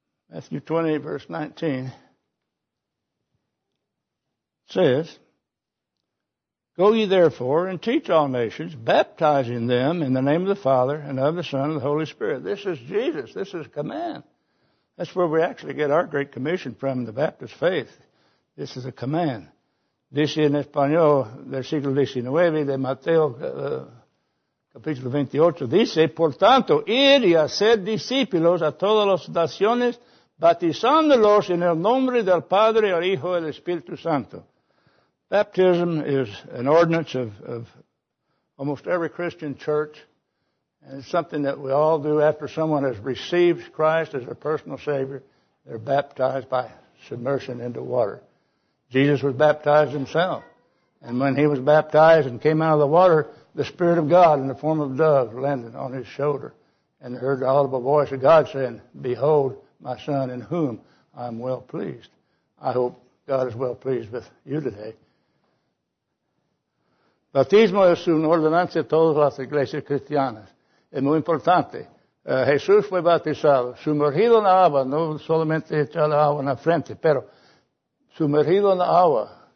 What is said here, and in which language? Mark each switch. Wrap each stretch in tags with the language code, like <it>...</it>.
<en>Matthew 28, verse 19 says, go ye therefore and teach all nations, baptizing them in the name of the Father and of the Son and the Holy Spirit. This is Jesus. This is command. That's where we actually get our great commission from, the Baptist faith. This is a command.</en> <es>Dice en español, versículo 19 de Mateo, capítulo 28, dice, por tanto, id y haced discípulos a todas las naciones, bautizándolos en el nombre del Padre, el Hijo, y el Espíritu Santo.</es> <en>Baptism is an ordinance of almost every Christian church, and it's something that we all do after someone has received Christ as their personal Savior. They're baptized by submersion into water. Jesus was baptized himself, and when he was baptized and came out of the water, the Spirit of God in the form of dove landed on his shoulder and heard the audible voice of God saying, behold, my Son, in whom I'm well pleased. I hope God is well pleased with you today.</en> <es>Bautismo es una ordenanza de todas las iglesias cristianas. Es muy importante. Jesús fue bautizado, sumergido en la agua, no solamente echado agua en la frente, pero sumergido en la agua.</es>